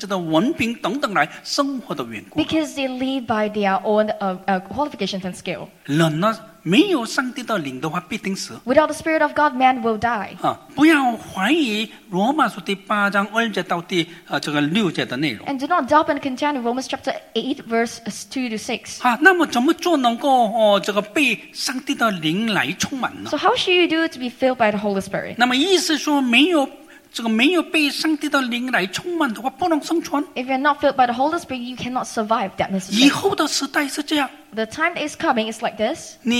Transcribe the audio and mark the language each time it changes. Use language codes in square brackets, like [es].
[zh] 靠着自己的知识靠着自己的文凭等等来生活的缘故 [en] Because they live by their own qualifications and skill [zh] 人呢 没有上帝的灵的话必定死 [en] Without the Spirit of God, man will die [zh] 不要怀疑罗马书第八章二节到第 这个六节的内容 [en] And do not doubt and contend Romans chapter 8 verse 2 to 6 [zh] 那么怎么做能够 这个被上帝的灵来充满呢 [en] So how should you do to be filled by the Holy Spirit? [zh] 那么意思说没有 这个没有被上帝的灵来充满的话不能生存 [en] If you're not filled by the Holy Spirit You cannot survive that necessary [zh] 以后的时代是这样 [en] The time that is coming is like this